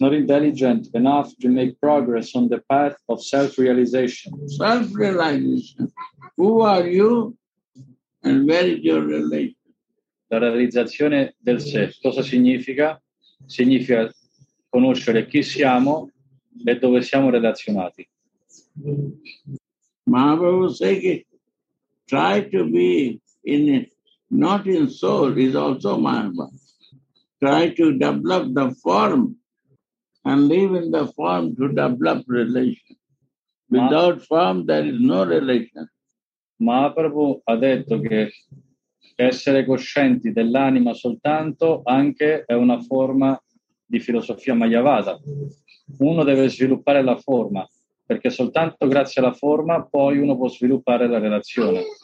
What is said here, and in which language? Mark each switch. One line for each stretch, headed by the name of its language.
English: not intelligent enough to make progress on the path of self-realization. Self-realization. Who are you and where is your relation?
Italian: La realizzazione del sé. Cosa significa? Significa conoscere chi siamo e dove siamo relazionati.
English: Mahaprabhu say
Italian: che
English: try to be in it, not in soul, is also Mahaprabhu. Try to develop the form and live in the form to develop relation. Without form, there is no relation.
Italian: Mahaprabhu ha detto che essere coscienti dell'anima soltanto anche è una forma di filosofia mayavada. Uno deve sviluppare la forma. Perché soltanto grazie alla forma poi uno può sviluppare la relazione.